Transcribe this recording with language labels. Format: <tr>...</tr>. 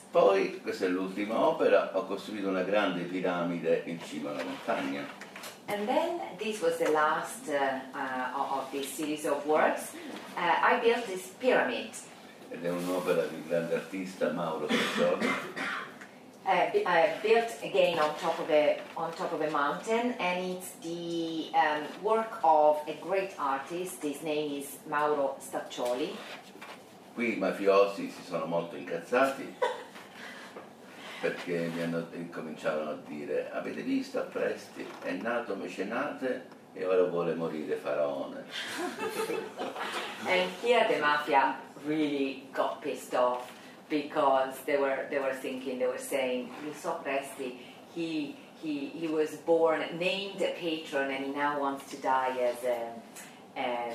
<it>Poi, questa è l'ultima opera, ho costruito una grande piramide in cima alla montagna.</it> <en>And then, this was the last of this series of works, I built this pyramid.</en> <it>Ed è un'opera di un grande artista, Mauro Sassoli.</it> <en>Built again on top of a mountain, and it's the work of a great artist. His name is Mauro Staccioli.</en> <it>Qui I mafiosi si sono molto incazzati. perché mi hanno incominciato a dire: avete visto, appresti, è nato Mecenate e ora vuole morire Faraone.</it> <en>And here the mafia really got pissed off because they were thinking, they were saying, you saw Presti, he was born, named a patron, and he now wants to die as</en>